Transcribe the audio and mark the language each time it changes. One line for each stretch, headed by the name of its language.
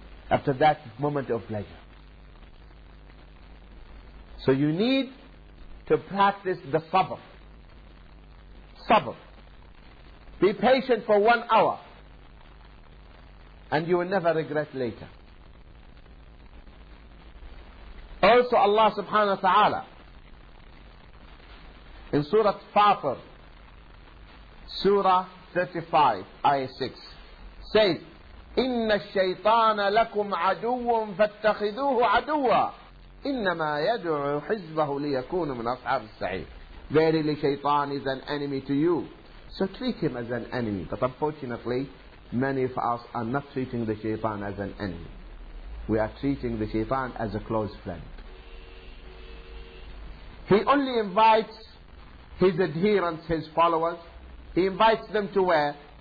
English: After that moment of pleasure. So you need to practice the sabr. Sabr. Be patient for 1 hour. And you will never regret later. Also Allah subhanahu wa ta'ala in Surah Fatir, Surah 35, Ayah 6, says,
Arabic: إِنَّ الشَّيْطَانَ لَكُمْ عَدُوٌ فَاتَّخِذُوهُ عَدُوًّا إِنَّمَا يَدْعُوا حِزْبَهُ لِيَكُونُ مِنْ أَصْحَابِ السَّعِيرِ.
English: Verily, shaitan is an enemy to you. So treat him as an enemy. But unfortunately, many of us are not treating the shaitan as an enemy. We are treating the shaitan as a close friend. He only invites his adherents, his followers, he invites them to where?